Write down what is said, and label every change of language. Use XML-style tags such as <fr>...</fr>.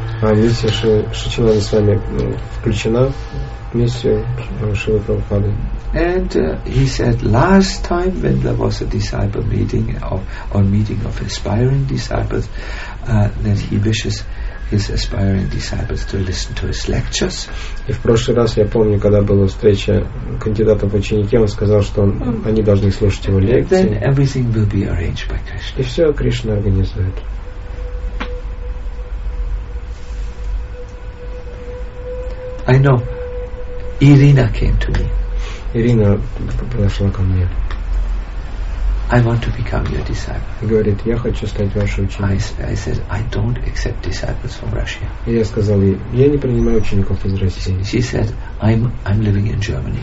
<ru>А миссия Сачинанды Свами включена в миссию Шрила Прабхупады.</ru> <en>And he said last time when there was a disciple meeting or meeting of aspiring disciples that he wishes his aspiring disciples to listen to his lectures.</en> <ru>И в прошлый раз я помню, когда была встреча кандидатов в ученики, он сказал, что они должны слушать его лекции.</ru> <en>Then everything will be arranged by Krishna.</en> <ru>И все Кришна организует.</ru> <en>I know Ирина came to me.</en> <ru>Ирина подошла ко мне.</ru> <en>I want to become your disciple.</en> <ru>Говорит, я хочу стать вашей ученицей.</ru> <en>I said, I don't accept disciples from Russia.</en> <ru>Я сказал ей, я не принимаю учеников из России.</ru> <en>She said, I'm living in Germany.</en>